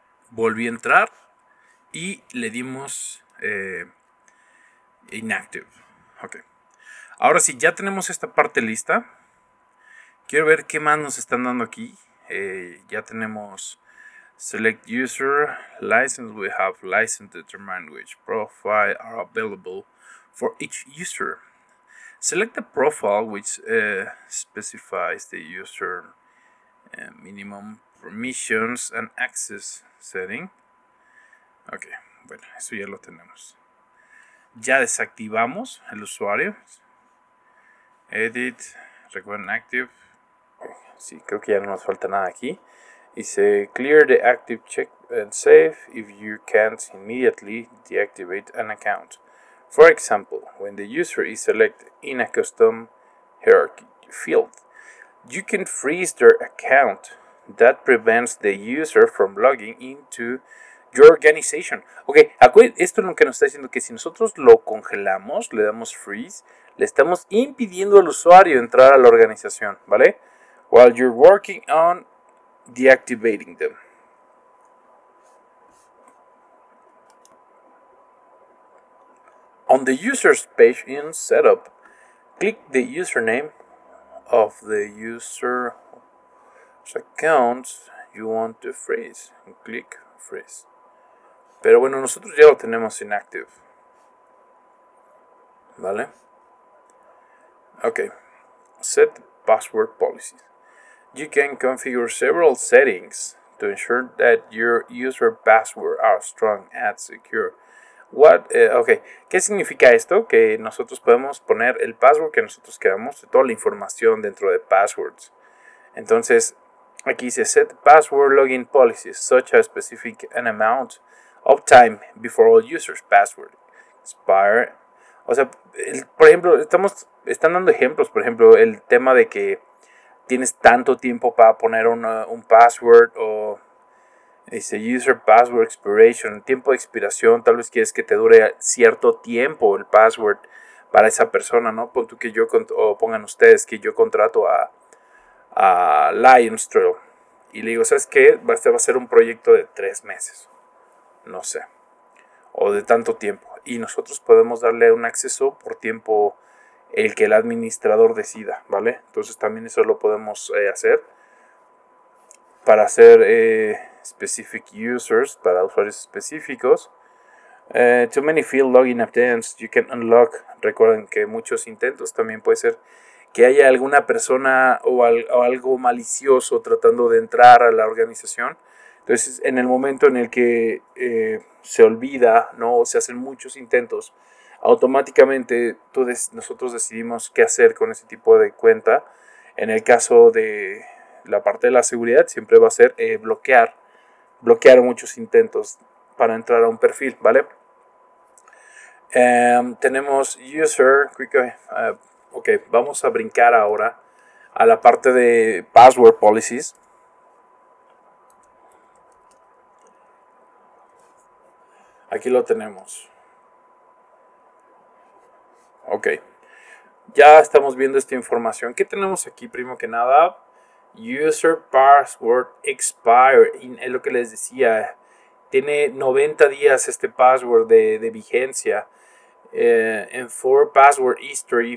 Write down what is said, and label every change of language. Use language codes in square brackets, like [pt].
[es] Volví a entrar y le dimos inactive. Ok. Ahora sí, ya tenemos esta parte lista. Quiero ver qué más nos están dando aquí. Ya tenemos [en] select user, license. We have license determined which profile are available for each user. Select the profile which specifies the user minimum permissions and access. Setting. [es] Ok, bueno, eso ya lo tenemos. Ya desactivamos el usuario. Edit, recuerden active. Sí, creo que ya no nos falta nada aquí. Dice [en] clear the active check and save if you can't immediately deactivate an account. For example, when the user is selected in a custom hierarchy field, you can freeze their account. That prevents the user from logging into your organization. [es] Ok, esto es lo que nos está diciendo, que si nosotros lo congelamos, le damos freeze, le estamos impidiendo al usuario entrar a la organización, ¿vale? [en] While you're working on deactivating them. On the user's page in setup, click the username of the user account you want to freeze. Click freeze. [es] Pero bueno, nosotros ya lo tenemos inactive. ¿Vale? [en] Ok. Set password policies. You can configure several settings to ensure that your user password are strong and secure. What? Ok. [es] ¿Qué significa esto? Que nosotros podemos poner el password que nosotros queramos, toda la información dentro de passwords. Entonces, aquí dice, [en] set password login policies, such as specific an amount of time before all users' password expire. [es] O sea, por ejemplo, están dando ejemplos. Por ejemplo, el tema de que tienes tanto tiempo para poner un password, o dice [en] user password expiration, [es] tiempo de expiración. Tal vez quieres que te dure cierto tiempo el password para esa persona, ¿no? Pon tú que yo, o pongan ustedes que yo contrato a Lions Trail y le digo, ¿sabes qué? Este va a ser un proyecto de 3 meses, no sé, o de tanto tiempo, y nosotros podemos darle un acceso por tiempo el que el administrador decida, ¿vale? Entonces también eso lo podemos hacer para hacer [en] specific users, [es] para usuarios específicos. [en] Too many field login attempts, you can unlock. [es] Recuerden que muchos intentos también puede ser que haya alguna persona o algo malicioso tratando de entrar a la organización. Entonces, en el momento en el que se olvida, ¿no?, o se hacen muchos intentos, automáticamente nosotros decidimos qué hacer con ese tipo de cuenta. En el caso de la parte de la seguridad, siempre va a ser bloquear muchos intentos para entrar a un perfil, ¿vale? Tenemos user, ok, vamos a brincar ahora a la parte de password policies. Aquí lo tenemos. Ok. Ya estamos viendo esta información. ¿Qué tenemos aquí? Primero que nada, [en] user password expire. [es] Es lo que les decía. Tiene 90 días este password de vigencia. [en] Enfor password history.